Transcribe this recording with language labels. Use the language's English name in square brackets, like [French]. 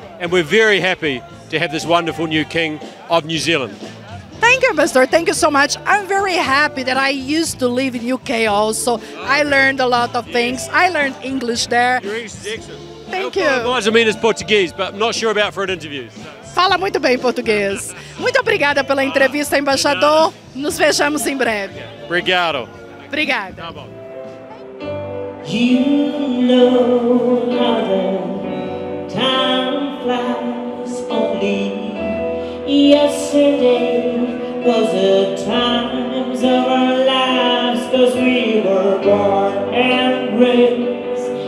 [English] And we're very happy to have this wonderful new king of New Zealand. Thank you, Ambassador. Thank you so much. I'm very happy that I used to live in UK also. I learned a lot of things. I learned English there. Your English is excellent. Thank you. Well, what I mean is Portuguese, but I'm not sure about for an interview. [Portuguese] Fala muito bem português. Muito obrigada pela entrevista, embaixador. Nos vejamos em breve. Obrigado. Obrigada. [English] You know how the time flies. Only Yesterday was the times of our lives, 'cause we were born and raised.